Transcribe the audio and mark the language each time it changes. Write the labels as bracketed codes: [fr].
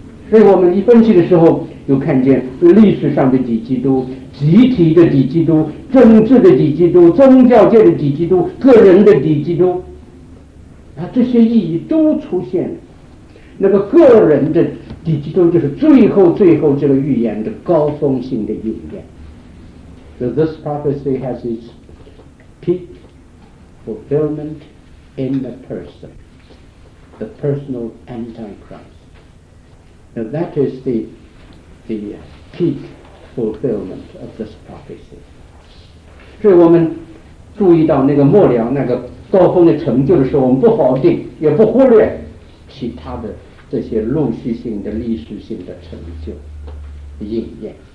[zh] 所以我们一分析的时候，就看见历史上的底基督、集体的底基督、政治的底基督、宗教界的底基督、个人的底基督，啊，这些意义都出现了。那个个人的底基督就是最后最后这个预言的高峰性的预言。 [en] So this prophecy has its peak fulfillment in the person, the personal Antichrist. Now that is the peak fulfillment of this prophecy. [zh] 所以我们注意到那个末了那个高峰的成就的时候，我们不否定也不忽略其他的这些陆续性的历史性的成就应验。